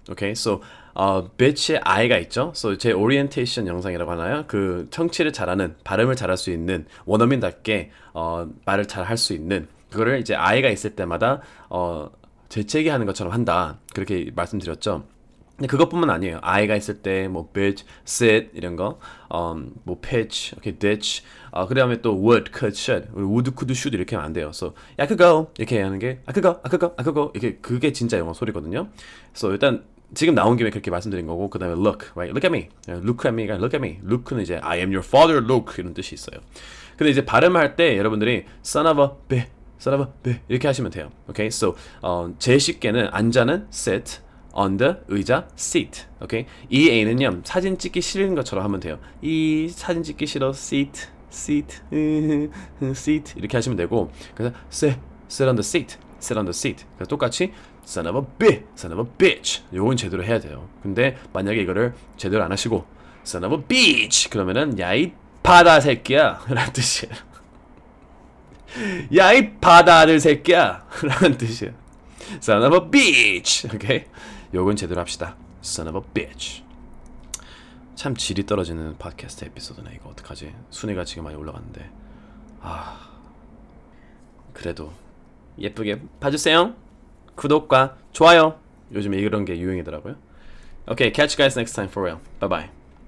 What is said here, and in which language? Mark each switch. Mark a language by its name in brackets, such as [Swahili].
[Korean] Okay, so, bitch의 I가 있죠? So, 제 오리엔테이션 영상이라고 하나요? 그, 청취를 잘하는, 발음을 잘할 수 있는, 원어민답게, 말을 잘할 수 있는, 그거를 이제 I가 있을 때마다, 재채기 하는 것처럼 한다. 그렇게 말씀드렸죠? 근데 그것뿐만 아니에요. I가 있을 때, 뭐, bitch, sit, 이런 거, 뭐, pitch, okay, ditch, 그 다음에 또, would, could, should, would, could, should, 이렇게 하면 안 돼요. [English] So, yeah, I could go, [Korean] 이렇게 하는 게, [English] I could go, I could go, I could go, [Korean] 이렇게, 그게 진짜 영어 소리거든요. So, 일단, 지금 나온 김에 그렇게 말씀드린 거고, 그 다음에 look, right? [English] Look at me. Look at me, look at me. [Korean] Look는 이제, I am your father, look, 이런 뜻이 있어요. 근데 이제 발음할 때, 여러분들이, son of a bitch, son of a bitch, 이렇게 하시면 돼요. [English] Okay? [Korean] So, 제일 쉽게는, 앉아는 sit, on the 의자 seat, okay? 이 A는요 사진 찍기 싫은 것처럼 하면 돼요. 이 사진 찍기 싫어 seat, seat, seat 이렇게 하시면 되고 그래서 [English] sit on the seat, sit on the seat. [Korean] 그래서 똑같이 son of a bitch, son of a bitch. 요건 제대로 해야 돼요. 근데 만약에 이거를 제대로 안 하시고 son of a bitch 그러면은 야이 바다 새끼야 라는 뜻이에요. 야이 바다들 새끼야 라는 뜻이에요. [English] son of a bitch, okay? [Korean] 요건 제대로 합시다. [English] Son of a bitch. [Korean] 참 질이 떨어지는 팟캐스트 에피소드네. 이거 어떡하지? 순위가 지금 많이 올라갔는데. 그래도 예쁘게 봐주세요. 구독과 좋아요. 요즘에 이런 게 유행이더라고요. [English] Okay, catch you guys next time for real. Bye bye.